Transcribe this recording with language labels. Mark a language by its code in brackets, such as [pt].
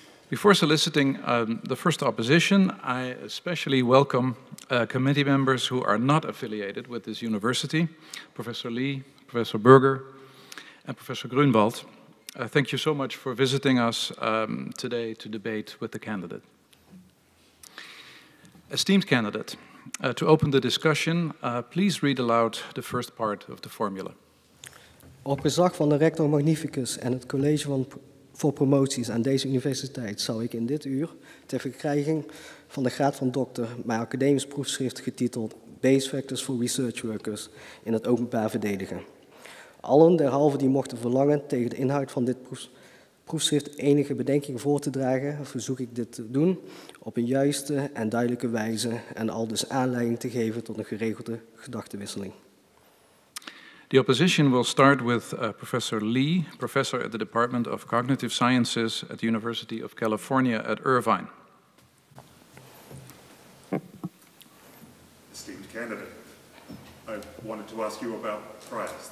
[en] Before soliciting the first opposition, I especially welcome committee members who are not affiliated with this university, Professor Lee, Professor Berger, and Professor Grunwald. Thank you so much for visiting us today to debate with the candidate. Esteemed candidate, to open the discussion, please read aloud the first part of the formula. [nl] Op gezag van de rector magnificus en het college van voor promoties aan deze universiteit zou ik in dit uur ter verkrijging van de graad van dokter mijn academisch proefschrift getiteld Base Factors for Research Workers in het openbaar verdedigen. Allen derhalve die mochten verlangen tegen de inhoud van dit proefschrift enige bedenkingen voor te dragen, verzoek ik dit te doen op een juiste en duidelijke wijze en al dus aanleiding te geven tot een geregelde gedachtenwisseling. [en] The opposition will start with Professor Lee, professor at the Department of Cognitive Sciences at the University of California at Irvine. Esteemed candidate, I wanted to ask you about trials.